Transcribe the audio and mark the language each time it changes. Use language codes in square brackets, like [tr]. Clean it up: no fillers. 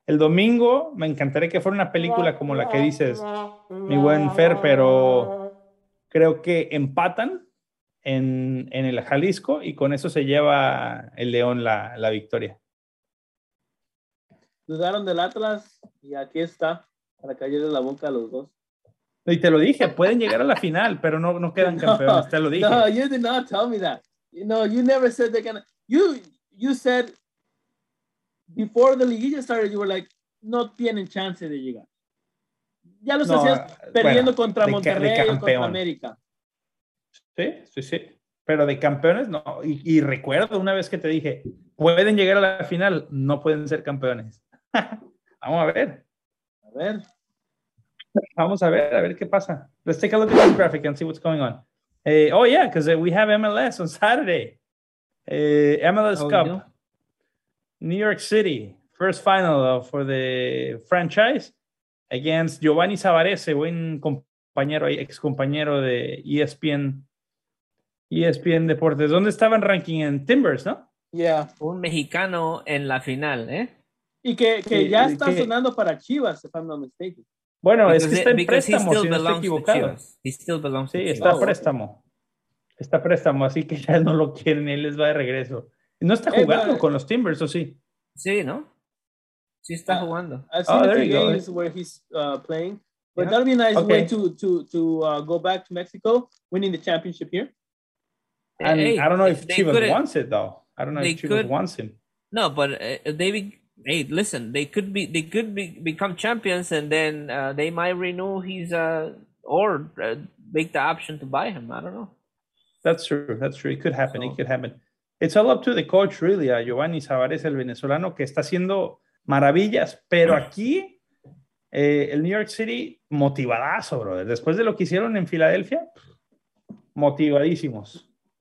[es] El domingo me encantaría que fuera una película como la que dices, mi buen Fer, pero creo que empatan en el Jalisco, y con eso se lleva el León la victoria. Dudaron del Atlas, y aquí está, para caerle la boca a los dos. Y te lo dije, pueden llegar a la final, pero no quedan campeones, te lo dije. [en] No, you did not tell me that. No, you never said they're gonna... You said, before the Liguilla started, you were like, [es] no tienen chance de llegar. Ya los hacías perdiendo contra Monterrey y contra América. Sí. Pero de campeones, no. Y recuerdo una vez que te dije, pueden llegar a la final, no pueden ser campeones. Vamos a ver. A ver. Vamos a ver qué pasa. [en] Let's take a look at this graphic and see what's going on. Oh, yeah, because we have MLS on Saturday. MLS Cup. New York City. First final for the franchise against [es] Giovanni Zavarese, buen compañero, ex compañero de ESPN Deportes. ¿Dónde estaban ranking? En Timbers, ¿no? [en] Yeah. [es] Un mexicano en la final, ¿eh? Y que ya está sonando para Chivas, [en] if I'm not mistaken. [es] Bueno, because es que está en préstamo, si no estoy equivocado. [en] He still belongs [es] to Chivas. Sí, está préstamo. Está préstamo, así que ya no lo quieren, él les va de regreso. ¿No está jugando con los Timbers o sí? Sí, ¿no? Sí está jugando. [en] I've seen a few games where he's playing. But yeah. That'll be a nice way to go back to Mexico, winning the championship here. And hey, I don't know if Chivas wants it, though. I don't know if Chivas wants him. No, but they could become champions, and then they might renew his make the option to buy him. I don't know. That's true. It could happen. It's all up to the coach, really. [es] Giovanni Zavarez, el venezolano, que está haciendo maravillas. Pero aquí, el New York City, motivadazo, brother. Después de lo que hicieron en Filadelfia, motivadísimos.